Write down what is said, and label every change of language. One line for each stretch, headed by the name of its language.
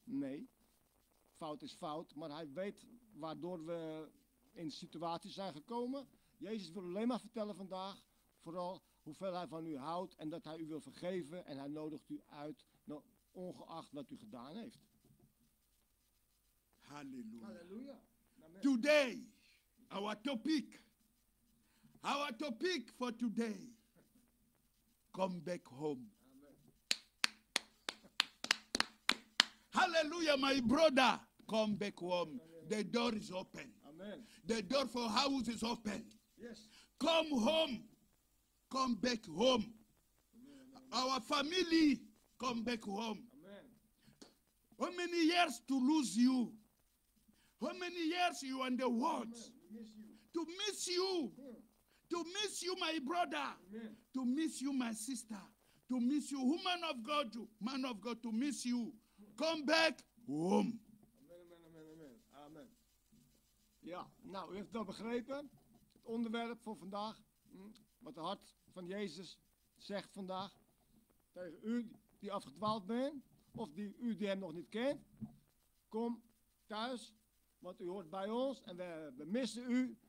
Dutch: Nee, fout is fout. Maar hij weet waardoor we in situaties zijn gekomen. Jezus wil alleen maar vertellen vandaag, vooral hoeveel hij van u houdt en dat hij u wil vergeven. En hij nodigt u uit, ongeacht wat u gedaan heeft. Halleluja. Halleluja.
English: Today, our topic for today, come back home. Amen. Halleluja, my brother, come back home. Amen. The door is open. Amen. The door for house is open. Yes. Come home. Come back home. Amen, amen. Our family, come back home. Amen. How many years to lose you? How many years you and the world? Miss to miss you. Amen. To miss you, my brother. Amen. To miss you, my sister. To miss you, man of God, to miss you. Come back home. Amen, amen, amen, amen. Amen.
Dutch: Ja, nou, u heeft dat begrepen. Het onderwerp voor vandaag, wat de hart van Jezus zegt vandaag, tegen u die afgedwaald bent, of die u die hem nog niet kent, kom thuis, want u hoort bij ons en we missen u.